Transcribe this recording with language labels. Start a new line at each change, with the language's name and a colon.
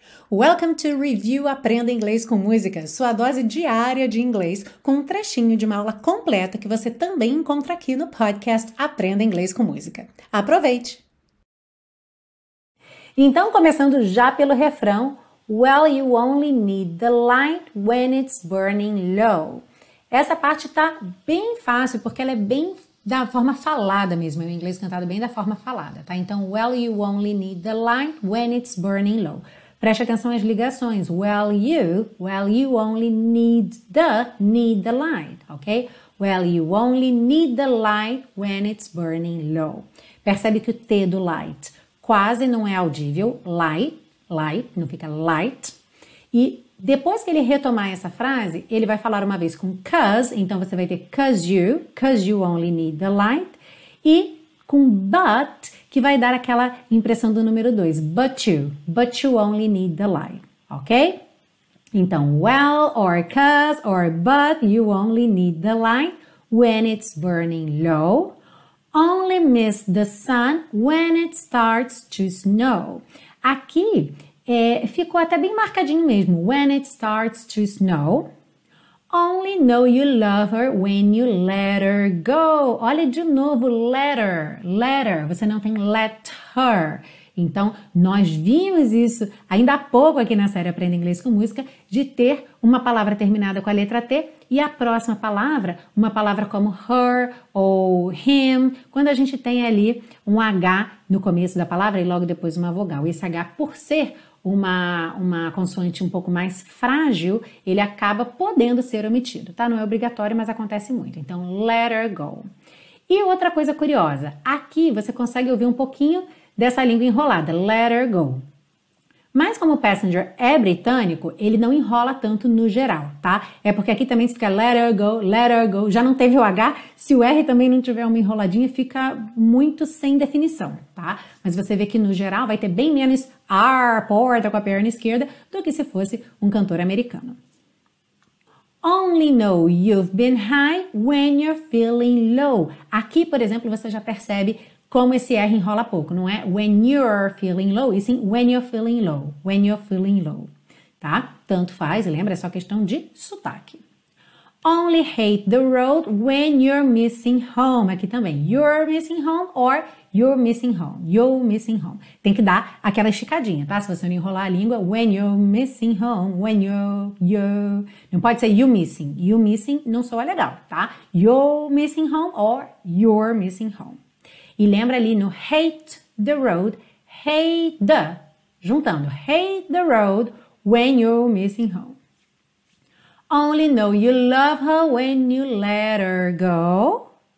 Portuguese: Welcome to Review Aprenda Inglês com Música, sua dose diária de inglês, com um trechinho de uma aula completa que você também encontra aqui no podcast Aprenda Inglês com Música. Aproveite! Então, começando já pelo refrão:
English: Well, you only need the light when it's burning low.
Portuguese: Essa parte tá bem fácil porque ela é bem da forma falada mesmo, é o inglês cantado bem da forma falada, tá? Então,
English: well, you only need the light when it's burning low.
Portuguese: Preste atenção às ligações.
English: Well, you only need the light, ok? Well, you only need the light when it's burning low.
Portuguese: Percebe que o T do light quase não é audível. Light, light, não fica light. E depois que ele retomar essa frase, ele vai falar uma vez com cause, então você vai ter
English: cause you only need the light.
Portuguese: E com but, que vai dar aquela impressão do número 2,
English: but you only need the light,
Portuguese: ok? Então, well, or cause, or but, you only need the light when it's burning low.
English: Only miss the sun when it starts to snow.
Portuguese: Aqui, ficou até bem marcadinho mesmo,
English: when it starts to snow. Only know you love her when you let her go.
Portuguese: Olha de novo, letter. Você não tem let her. Então, nós vimos isso ainda há pouco aqui na série Aprenda Inglês com Música, de ter uma palavra terminada com a letra T e a próxima palavra, uma palavra como her ou him, quando a gente tem ali um H no começo da palavra e logo depois uma vogal. Esse H, por ser uma consoante um pouco mais frágil, ele acaba podendo ser omitido, tá? Não é obrigatório, mas acontece muito. Então,
English: let her go.
Portuguese: E outra coisa curiosa, aqui você consegue ouvir um pouquinho dessa língua enrolada, let her go. Mas como o passenger é britânico, ele não enrola tanto no geral, tá? É porque aqui também fica
English: let her go,
Portuguese: já não teve o H, se o R também não tiver uma enroladinha, fica muito sem definição, tá? Mas você vê que no geral vai ter bem menos R, porta com a perna esquerda, do que se fosse um cantor americano.
English: Only know you've been high when you're feeling low.
Portuguese: Aqui, por exemplo, você já percebe como esse R enrola pouco, não é
English: when you're feeling low,
Portuguese: e sim when you're feeling low, when you're feeling low, tá? Tanto faz, lembra, é só questão de sotaque.
English: Only hate the road when you're missing home.
Portuguese: Aqui também,
English: you're missing home or you're missing home, you're missing home.
Portuguese: Tem que dar aquela esticadinha, tá? Se você não enrolar a língua,
English: when you're missing home, when you're.
Portuguese: Não pode ser
English: you missing
Portuguese: não soa legal, tá?
English: You're missing home or you're missing home.
Portuguese: E lembra ali no
English: hate the road, hate the,
Portuguese: juntando,
English: hate the road when you're missing home. Only know you love her when you let her go.